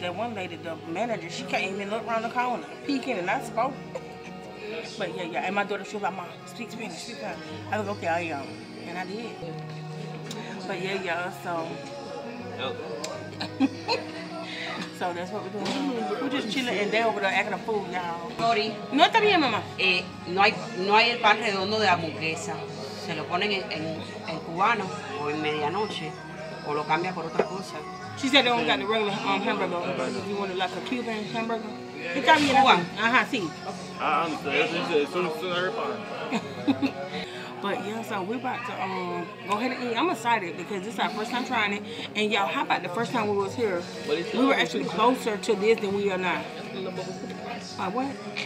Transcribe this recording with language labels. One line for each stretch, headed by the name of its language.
English: That one lady, the manager, she can't even look around the corner, peeking, and I spoke. But yeah, y'all. And my daughter, she was like, Mom, speak Spanish. I was like, okay, y'all. And I did. But yeah, y'all, so. So that's what we're doing. We're just chilling and they over there acting a fool, y'all. Sorry.
Spanish: No está bien, mamá. No hay el pan redondo de la hamburguesa. Se lo ponen en cubano o en medianoche o lo cambia por otra cosa.
English: She said they only got the regular hamburger. You want it like a Cuban hamburger? It's got me in Cuban. Uh-huh, see. But yeah, so we're about to go ahead and eat. I'm excited because this is our first time trying it. And y'all, how about the first time we was here? We were actually closer to this than we are now. By what?